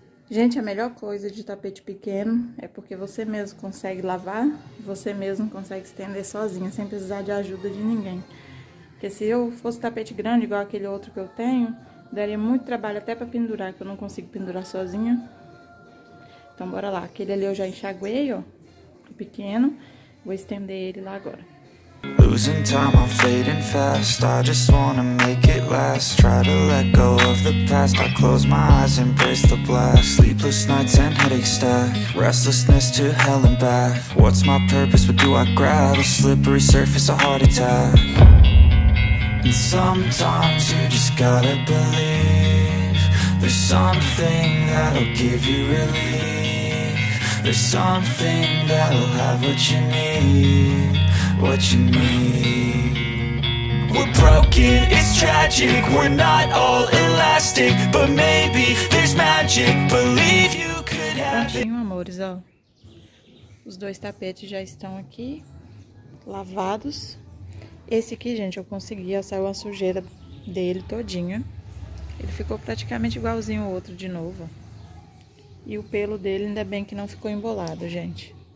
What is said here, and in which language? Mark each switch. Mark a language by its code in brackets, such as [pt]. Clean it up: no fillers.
[pt] Gente, a melhor coisa de tapete pequeno é porque você mesmo consegue lavar, você mesmo consegue estender sozinha, sem precisar de ajuda de ninguém. Porque se eu fosse tapete grande, igual aquele outro que eu tenho, daria muito trabalho até para pendurar, que eu não consigo pendurar sozinha. Então, bora lá. Aquele ali eu já enxaguei, ó, o pequeno. Vou estender ele lá agora. [en] Losing time, I'm fading fast. I just wanna make it last. Try to let go of the past. I close my eyes, embrace the blast. Sleepless nights and headaches stack. Restlessness to hell and back. What's my purpose? What do I grab? A slippery surface, a heart attack. And sometimes you just gotta believe. There's something that'll give you relief. There's something that'll have what you need. What you mean? We're broken, it's tragic. We're not all elastic, but maybe there's magic. Believe you could have it. [pt] Amores, ó. Os dois tapetes já estão aqui lavados. Esse aqui, gente, eu consegui, ó, saiu a sujeira dele todinha. Ele ficou praticamente igualzinho o outro de novo. E o pelo dele, ainda bem que não ficou embolado, gente.